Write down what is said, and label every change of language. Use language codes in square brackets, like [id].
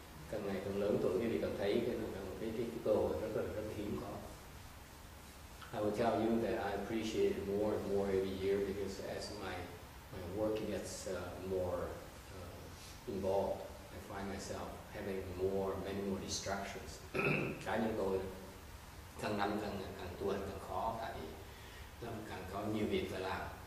[vi] Càng ngày càng lớn tuổi, quý vị càng thấy cái cơ hội rất là hiếm có. [en] I will tell you that I appreciate it more and more every year because as my work gets more involved, I find myself having many more distractions. [vi] Cá nhân tôi càng năm càng tuổi càng khó, tại vì làm càng có nhiều việc phải làm.